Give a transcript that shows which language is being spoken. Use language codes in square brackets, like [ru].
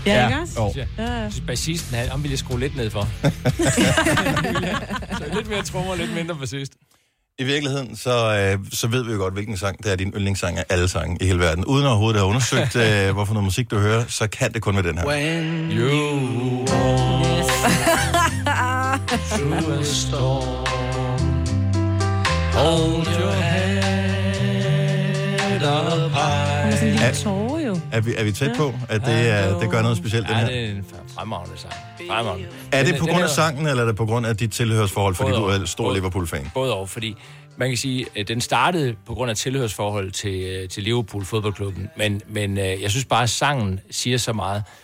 [da] Ja, ikke også? Jeg synes, bassisten, han ville jeg skrue lidt ned for. Så lidt mere trommer, lidt mindre bassist. I virkeligheden, så ved vi jo godt, hvilken sang det er, din yndlingssang af alle sange i hele verden. Uden overhovedet at have undersøgt, hvorfor noget musik du hører, så kan det kun være den her. [en] When you walk through a storm, hold your head up high. [da] Er, tårer, jo. Er vi tæt på, at det gør noget specielt, ja, den her? Ja, det er en fremragende sang. Fremragende. Er det på grund af sangen, eller er det på grund af dit tilhørsforhold, fordi du er stor Liverpool-fan? Både over, fordi man kan sige, at den startede på grund af tilhørsforhold til Liverpool fodboldklubben, men jeg synes bare, at sangen siger så meget.